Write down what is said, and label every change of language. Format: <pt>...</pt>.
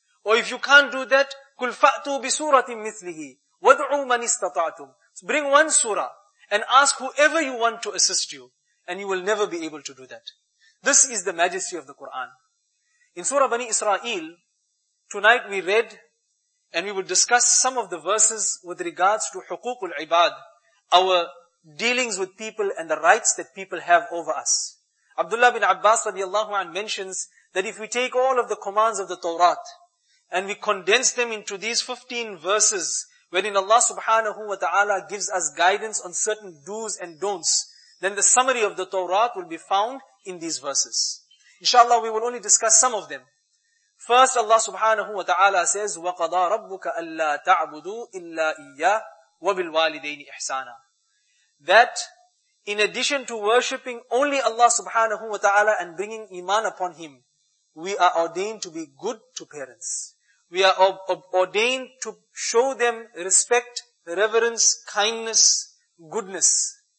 <en>Or if you can't do that,</en> <ar>قُلْ فَأْتُوا بِسُورَةٍ مِثْلِهِ وَدْعُوا مَنِ اسْتَطَعْتُمْ.</ar> <en>Bring one surah and ask whoever you want to assist you, and you will never be able to do that. This is the majesty of the Quran. In Surah Bani Israel, tonight we read, and we will discuss some of the verses with regards to huququl ibad, our dealings with people and the rights that people have over us. Abdullah bin Abbas radiallahu anhu mentions that if we take all of the commands of the Torah, and we condense them into these 15 verses, wherein Allah subhanahu wa ta'ala gives us guidance on certain do's and don'ts, then the summary of the Torah will be found in these verses. Inshallah, we will only discuss some of them. First, Allah subhanahu wa ta'ala says,</en> <ar>وَقَضَى رَبُّكَ أَلَّا تَعْبُدُوا إِلَّا إِيَّا وَبِالْوَالِدَيْنِ إِحْسَانًا.</ar> <en>That, in addition to worshipping only Allah subhanahu wa ta'ala and bringing iman upon Him, we are ordained to be good to parents. We are ordained to show them respect, reverence, kindness, goodness.</en>